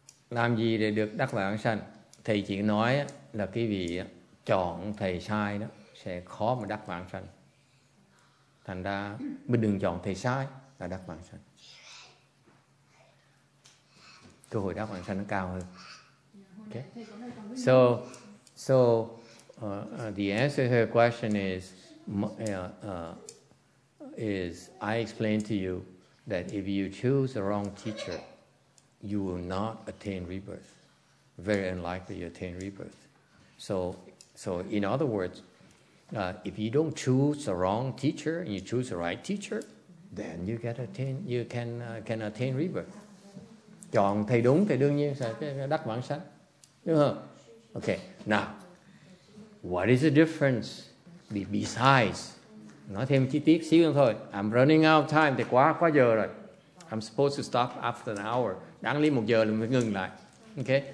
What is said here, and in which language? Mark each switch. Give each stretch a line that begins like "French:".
Vietnamese: Làm gì để được đắc vãng sanh? Thầy chỉ nói là quý vị chọn thầy sai đó sẽ khó mà đắc vãng sanh. Thành ra mình đừng chọn thầy sai là đắc vãng sanh. Cơ hội đắc vãng sanh nó cao hơn.
English: Okay. So, the answer to her question is I explained to you that if you choose the wrong teacher, you will not attain rebirth. Very unlikely you attain rebirth. So in other words, if you don't choose the wrong teacher and you choose the right teacher, then you can attain rebirth.
Vietnamese: Chọn thầy đúng thì đương nhiên sẽ đắc vãng sanh. Đúng không? Okay.
English: Now, what is the difference besides?
Vietnamese: Nói thêm chi tiết xíu thôi.
English: I'm running out of time.
Vietnamese: Thì quá giờ rồi.
English: I'm supposed to stop after an hour.
Vietnamese: Đáng lý một giờ là mới ngừng lại. Okay.